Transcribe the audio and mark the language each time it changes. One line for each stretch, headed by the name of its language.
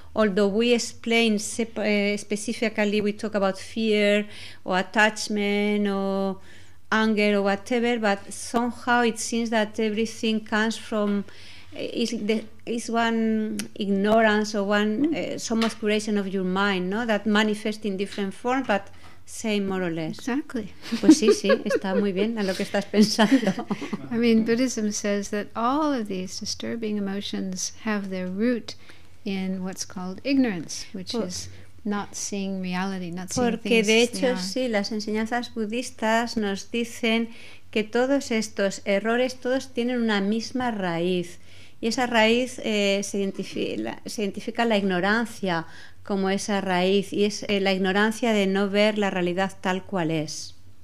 English: Although we explain specifically, we talk about fear or attachment or anger or whatever, but somehow it seems that everything comes from is one ignorance or one some oscuration of your mind, no? That manifests in different forms, but Same, more or less. Exactly.
Spanish: Pues sí, sí, está muy bien a lo que estás pensando.
English: I mean, Buddhism says that all of these disturbing emotions have their root in what's called ignorance, which is not seeing reality, not seeing things.
Spanish: Porque de hecho, sí, las enseñanzas budistas nos dicen que todos estos errores, todos tienen una misma raíz. Y esa raíz se identifica la ignorancia como esa raíz, y es la ignorancia de no ver la realidad tal cual es.